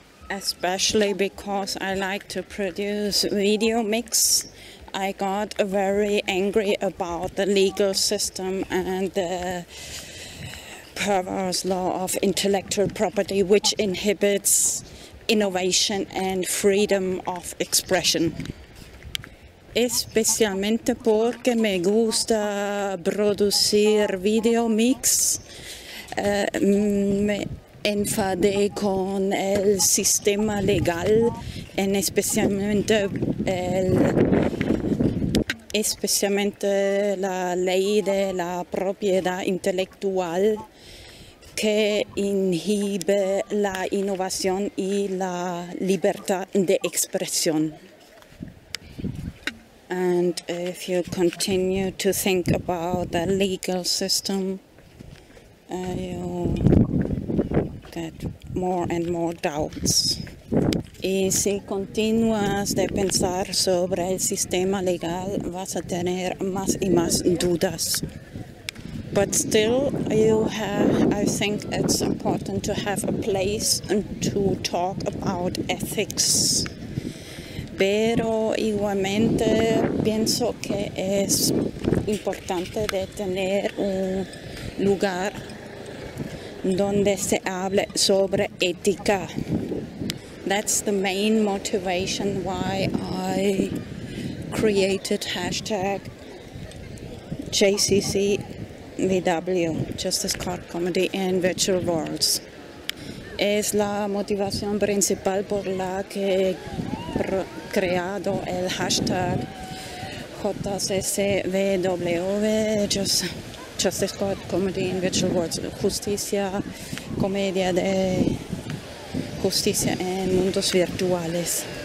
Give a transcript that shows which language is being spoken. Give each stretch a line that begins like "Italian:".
English: Especially because I like to produce video mix, I got very angry about the legal system and the perverse law of intellectual property, which inhibits innovation and freedom of expression.
Spanish: Especialmente porque me gusta producir video mix, me enfadé con el sistema legal, en especialmente la ley de la propiedad intelectual que inhibe la innovación y la libertad de expresión.
English: And if you continue to think about the legal system, you get more and more doubts.
Spanish: Y si continúas de pensar sobre el sistema legal, vas a tener más y más dudas.
English: But still, I think it's important to have a place to talk about ethics.
Spanish: pero igualmente pienso que es importante de tener un lugar donde se hable sobre ética.
English: That's the main motivation why I created hashtag JCCVW, Justice Card Comedy in Virtual Worlds.
Spanish: Es la motivación principal por la que he creado el hashtag JCCVW, Justice Card Comedy in Virtual Worlds, Justicia, Comedia de Justicia en Mundos Virtuales.